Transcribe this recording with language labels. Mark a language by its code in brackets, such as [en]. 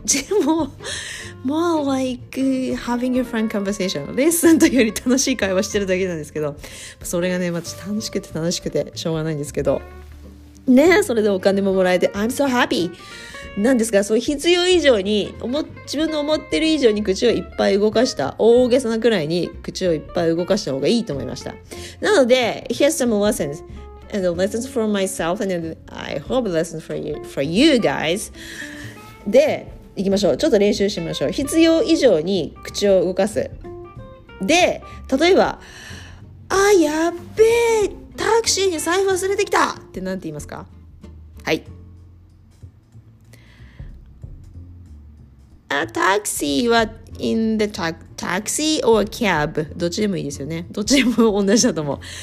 [ja] でも [en] more like having a frank conversation、 [ja] レッスンというより楽しい会話してるだけなんですけど、それがね、まあ、楽しくて楽しくてしょうがないんですけどね。それでお金ももらえて [en] I'm so happy [ja] なんですが、その必要以上に、自分の思ってる以上に口をいっぱい動かした、大げさなくらいに口をいっぱい動かした方がいいと思いました。なので [en] Here's some lessons and lessons for myself and I hope lessons for you guys. [ja] で行きましょう、ちょっと練習しましょう。必要以上に口を動かす。で例えば、あーやっべータクシーに財布忘れてきたってなんて言いますか。はい、タクシーは [en] in the taxi or cab、 [ja] どっちでもいいですよね、どっちでも同じだと思う。